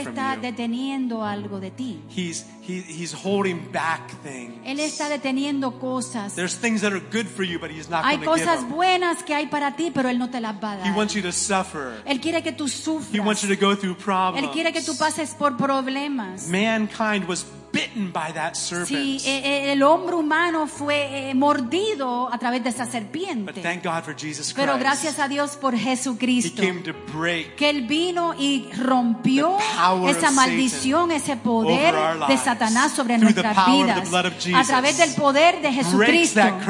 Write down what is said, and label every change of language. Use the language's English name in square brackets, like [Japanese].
[Spanish] Él está deteniendo algo de ti. [English] He's holding back things. [Spanish] Él está deteniendo cosas. [English] There's things that are good for you, but he's not going to give them. [Spanish] Hay cosas buenas que hay para ti, pero él no te las va a dar. [English] He wants you to suffer. [Spanish] Él quiere que tú sufras. [English] He wants you to go through problems. [Spanish] Él quiere que tú pases por problemas. [English] Mankind was bitten by that serpent. [Spanish] Sí, el hombre humano fue mordido a través de esa serpiente. [English] But thank God for Jesus Christ. [Spanish] Pero gracias a Dios por Jesucristo. [English] He came to break. [Spanish] Que él vino y rompió esa maldición, ese poder de Satanás sobre nuestras vidas. A través del poder de Jesucristo.